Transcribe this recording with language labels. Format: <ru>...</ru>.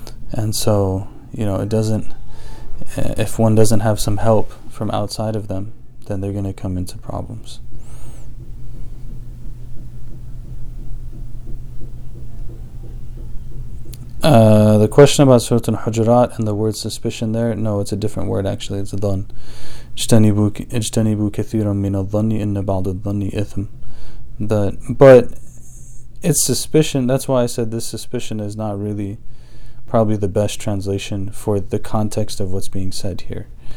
<en>And so, you know, it doesn't, if one doesn't have some help from outside of them, then they're going to come into problems. The question about Surat al-Hujurat and the word suspicion there, no, it's a different word actually, it's a dhan.</en> <ar>اجتنبوا كثيرا من الظن إن بعض الظن إثم.</ar> <en>But it's suspicion, that's why I said this suspicion is not really probably the best translation for the context of what's being said here.</en>